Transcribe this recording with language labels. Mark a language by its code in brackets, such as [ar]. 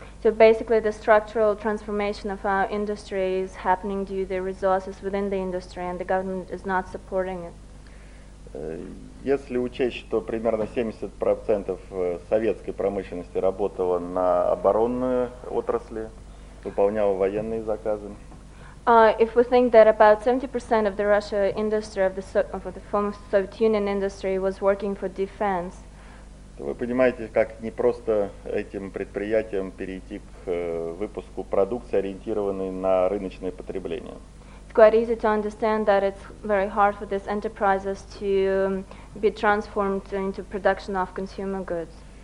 [en] So basically the structural transformation of our industry is happening due to the resources within the industry and the government is not supporting it. [ru] Если учесть, что примерно 70% советской промышленности работало на оборонные отрасли, выполняло военные заказы. [en] If we think that about 70% of the Russia industry, of the former Soviet Union industry, was working for defense, [ru] то вы понимаете, как не просто этим предприятиям перейти к выпуску продукции, ориентированной на рыночное потребление. [en] It's quite easy to understand that it's very hard for these enterprises to be transformed into production of consumer goods.